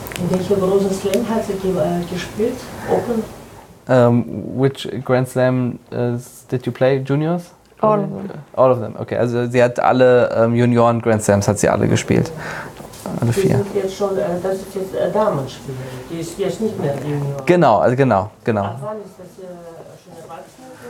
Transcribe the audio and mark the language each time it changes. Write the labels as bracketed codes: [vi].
[de] Welche große Slam hat sie gespielt? Open? [en] Which Grand Slam did you play, Juniors? All of them. All of them, okay. [de] Also sie hat alle Junioren-Grand Slams hat sie alle gespielt. Alle vier. Sind jetzt schon, das ist jetzt Damenspiel. Die ist jetzt nicht mehr Junior. Genau, also genau, genau. Ab wann ist das hier schon erwachsen?